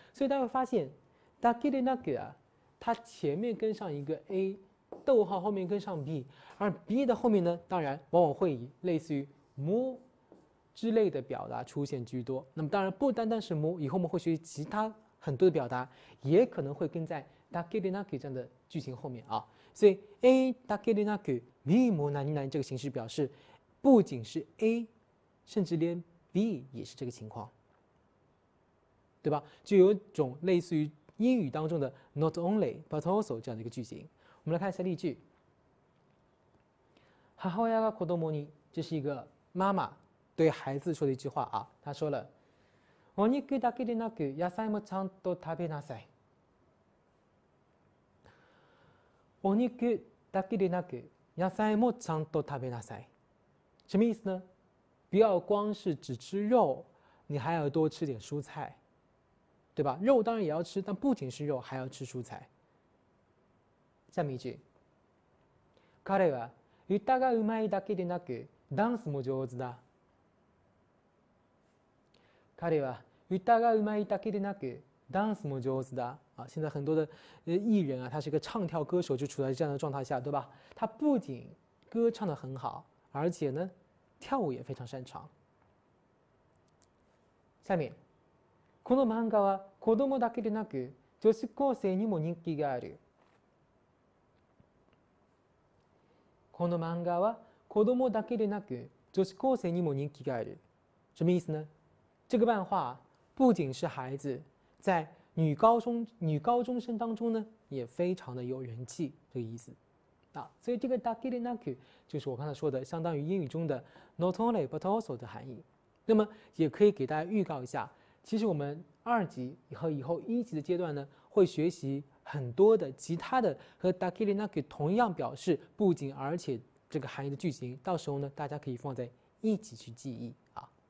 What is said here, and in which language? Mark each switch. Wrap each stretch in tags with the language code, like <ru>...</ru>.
<zh>所以大家会发现，da ke de na ke 啊，它前面跟上一个 a，逗号后面跟上 b，而 b 的后面呢，当然往往会以类似于 mu 之类的表达出现居多。那么当然不单单是 mu，以后我们会学习其他很多的表达，也可能会跟在 da ke de na ke 这样的句型后面啊。所以</zh> <ja>a だけでなく b も何々</ja> <zh>这个形式表示，不仅是 a，甚至连 b 也是这个情况，对吧？就有种类似于英语当中的</zh> <en>not only but also</en> <zh>这样的一个句型。我们来看一下例句：</zh> <ja>母親が子供に，</ja> <zh>这是一个妈妈对孩子说的一句话啊。她说了：“</zh> <ja>お肉だけでなく野菜もちゃんと食べなさい。” お肉だけでなく、野菜もちゃんと食べなさい。</ja> <zh>什么意思呢？不要光是只吃肉，你还要多吃点蔬菜，对吧？肉当然也要吃，但不仅是肉，还要吃蔬菜。下面一句。</zh> <ja>彼は歌がうまいだけでなく、ダンスも上手だ。彼は歌がうまいだけでなく、ダンスも上手だ。</ja> <zh>啊，现在很多的艺人啊，他是一个唱跳歌手，就处在这样的状态下，对吧？他不仅歌唱得很好，而且呢，跳舞也非常擅长。下面，</zh> <ja>この漫画は子供だけでなく女子高生にも人気がある。この漫画は子供だけでなく女子高生にも人気がある。</ja> <zh>什么意思呢？这个漫画不仅是孩子在。女高中生当中呢，也非常的有人气，这个意思，啊，所以这个 dakere naku 就是我刚才说的，相当于英语中的</zh> <en>not only but also</en> <zh>的含义。那么也可以给大家预告一下，其实我们二级和以后一级的阶段呢，会学习很多的其他的和 dakere naku 同样表示不仅而且这个含义的句型，到时候呢，大家可以放在一起去记忆啊。</zh>